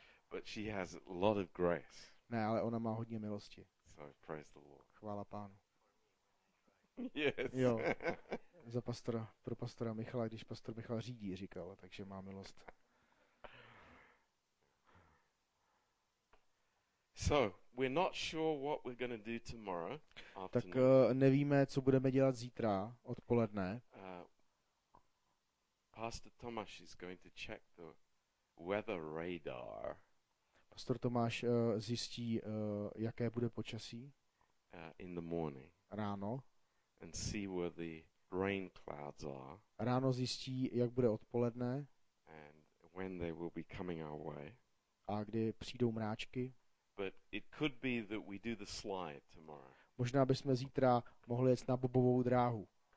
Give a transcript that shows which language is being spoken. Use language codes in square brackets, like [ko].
[en] But she has a lot of grace. [cs] Ne, ale ona má hodně milosti. [en] So praise the Lord. [cs] Chvála Pánu. [en] Yes. [cs] Jo. Za pastora, pro pastora Michala, když pastor Michal řídí, říkal, takže má milost. [en] So, we're not sure what we're going to do tomorrow afternoon. [cs] Tak nevíme, co budeme dělat zítra odpoledne. [en] Pastor Tomáš is going to check the weather radar. [cs] Pastor Tomáš zjistí, jaké bude počasí. [en] In the morning. [cs] Ráno. [en] And see where the rain clouds are. [cs] Ráno zjistí, jak bude odpoledne. [en] And when they will be coming our way. [cs] A kdy přijdou mráčky. [en] But it could be that we do the slide tomorrow. [cs] Možná bychom zítra mohli jet na bobovou dráhu.